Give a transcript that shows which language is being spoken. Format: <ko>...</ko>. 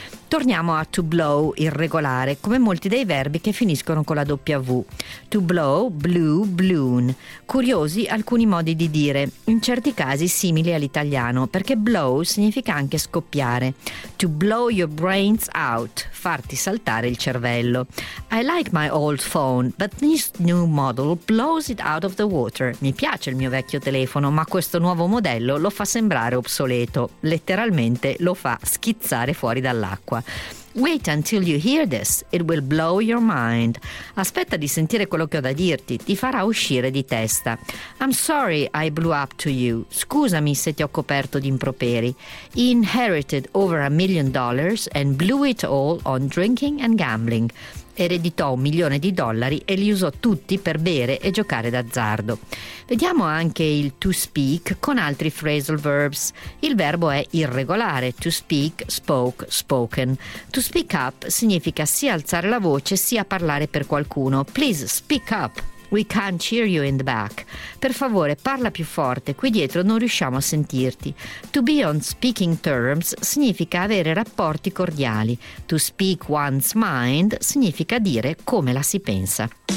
<it>Torniamo a to blow, irregolare, come molti dei verbi che finiscono con la W. To blow, blew, blown. Curiosi alcuni modi di dire, in certi casi simili all'italiano, perché blow significa anche scoppiare.</it> <en>To blow your brains out,</en> <it>farti saltare il cervello.</it> <en>I like my old phone, but this new model blows it out of the water.</en> <it>Mi piace il mio vecchio telefono, ma questo nuovo modello lo fa sembrare obsoleto. Letteralmente lo fa schizzare fuori dall'acqua.</it> <en>Wait until you hear this, it will blow your mind.</en> <it>Aspetta di sentire quello che ho da dirti, ti farà uscire di testa.</it> <en>I'm sorry I blew up to you.</en> <it>Scusami se ti ho coperto di improperi.</it> <en>He inherited over $1 million and blew it all on drinking and gambling.</en> <it>Ereditò $1 milione e li usò tutti per bere e giocare d'azzardo. Vediamo anche il to speak con altri phrasal verbs. Il verbo è irregolare, to speak, spoke, spoken.</it> <en>To speak up</en> <it>significa sia alzare la voce sia parlare per qualcuno.</it> <en>Please speak up, we can't hear you in the back.</en> <it>Per favore parla più forte, qui dietro non riusciamo a sentirti.</it> <en>To be on speaking terms</en> <it>significa avere rapporti cordiali.</it> <en>To speak one's mind</en> <it>significa dire come la si pensa.</it>